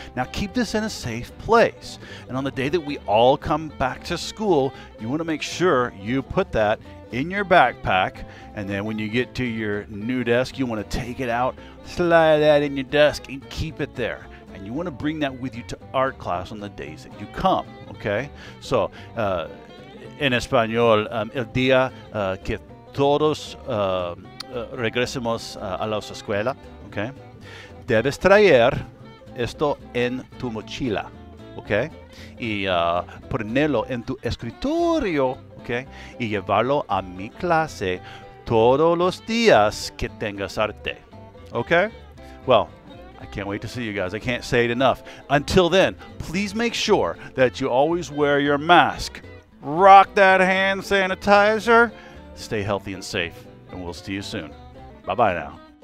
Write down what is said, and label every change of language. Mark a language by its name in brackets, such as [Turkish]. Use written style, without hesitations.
[English] Now keep this in a safe place. And on the day that we all come back to school, you want to make sure you put that in your backpack. And then when you get to your new desk, you want to take it out, slide that in your desk, and keep it there. And you want to bring that with you to art class on the days that you come, okay? [Spanish] So, en español, el día que todos regresemos a la escuela, okay? Debes traer esto en tu mochila, okay? Y ponerlo en tu escritorio, okay? Y llevarlo a mi clase todos los días que tengas arte, okay? [English] Well, I can't wait to see you guys. I can't say it enough. Until then, please make sure that you always wear your mask. Rock that hand sanitizer. Stay healthy and safe, and we'll see you soon. Bye-bye now.